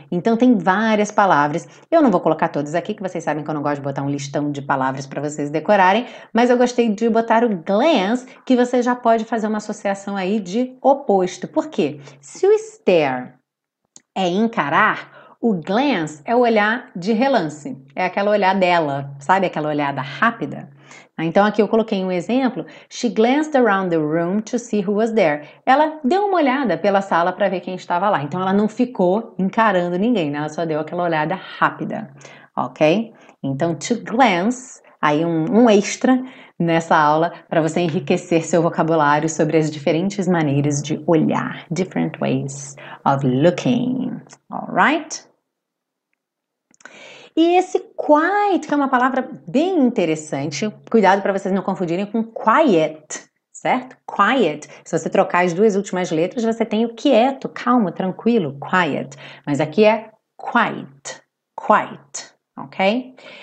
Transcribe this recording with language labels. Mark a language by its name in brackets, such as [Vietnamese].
[Portuguese] Então tem várias palavras. Eu não vou colocar todas aqui, que vocês sabem que eu não gosto de botar um listão de palavras para vocês decorarem, mas eu gostei de botar o glance, que você já pode fazer uma associação aí de oposto. Por quê? Se o stare é encarar, o glance é o olhar de relance, é aquela olhar dela, sabe? Aquela olhada rápida. Então aqui eu coloquei um exemplo. [English] She glanced around the room to see who was there. [Portuguese] Ela deu uma olhada pela sala para ver quem estava lá. Então ela não ficou encarando ninguém, né? Ela só deu aquela olhada rápida, ok? Então to glance aí um extra nessa aula para você enriquecer seu vocabulário sobre as diferentes maneiras de olhar. [English] Different ways of looking. All right? [Portuguese] E esse quiet, que é uma palavra bem interessante, cuidado para vocês não confundirem com quiet, certo? Quiet. Se você trocar as duas últimas letras, você tem o quieto, calmo, tranquilo, quiet. Mas aqui é quiet, quiet, ok?